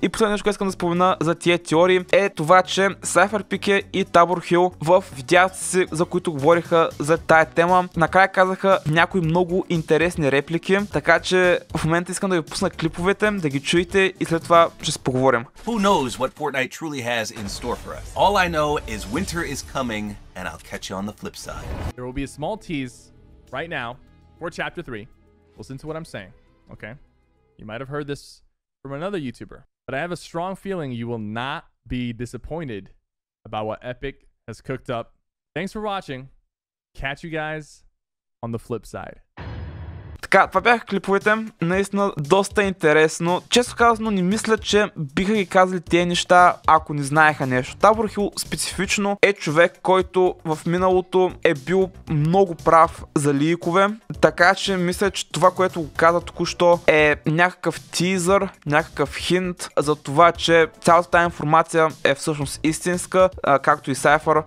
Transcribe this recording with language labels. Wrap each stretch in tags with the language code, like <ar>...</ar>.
<bg>И последно нещо, което искам да спомена за тия теории, е това, че Cypher Pique и Tabor Hill в видеата си, за които говориха за тая тема, накрая казаха някои много интересни реплики, така че в момента искам да ви пусна клиповете, да ги чуете и след това ще се поговорим.</bg> <en>Who knows what Fortnite truly has in store for us? All I know is winter is coming and I'll catch you on the flip side. There will be a small tease right now for chapter 3. Listen to what I'm saying, okay? You might have heard this from another YouTuber, but I have a strong feeling you will not be disappointed about what Epic has cooked up. Thanks for watching. Catch you guys on the flip side.</en> <bg>Така, това бяха клиповете. Наистина доста интересно. Често казано, не мисля, че биха ги казали тези неща, ако не знаеха нещо. Табор Хил специфично е човек, който в миналото е бил много прав за ликове. Така че мисля, че това, което го каза току-що, е някакъв тизър, някакъв хинт за това, че цялата тази информация е всъщност истинска, както и Сайфър.</bg>